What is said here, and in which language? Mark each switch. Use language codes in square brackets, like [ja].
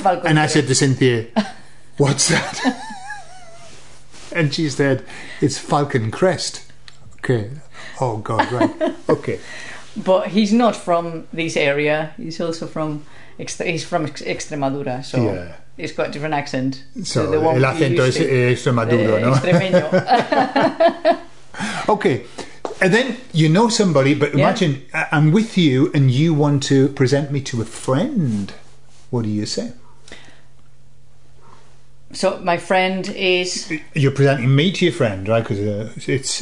[en] And I said to Cynthia, what's that? And she said, it's Falcon Crest. Okay. Oh, God, right. Okay. But he's not from this area. He's also from... he's from Extremadura, so... Yeah. He's got a different accent. [es] So, el acento es Extremadura, ¿no? Extremeño. [en] Okay. And then you know somebody, but imagine I'm with you and you want to present me to a friend. What do you say? So my friend is... You're presenting me to your friend, right? Because it's